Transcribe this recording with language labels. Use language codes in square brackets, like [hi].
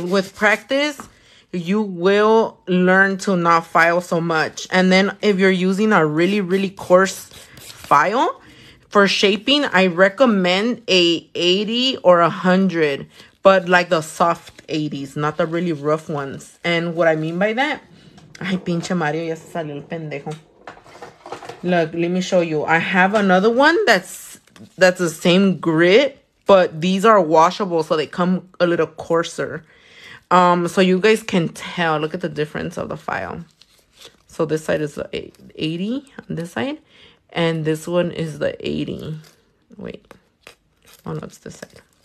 [en] With practice, you will learn to not file so much. And then if you're using a really, really coarse file for shaping, I recommend a 80 or 100. But like the soft 80s, not the really rough ones. And what I mean by that... [es] Ay, pinche Mario, ya se salió el pendejo. [en] Look, let me show you. I have another one that's the same grit, but these are washable, so they come a little coarser. So you guys can tell. Look at the difference of the file. So this side is the 80 on this side, and this one is the 80. Wait. Oh, no, it's this side.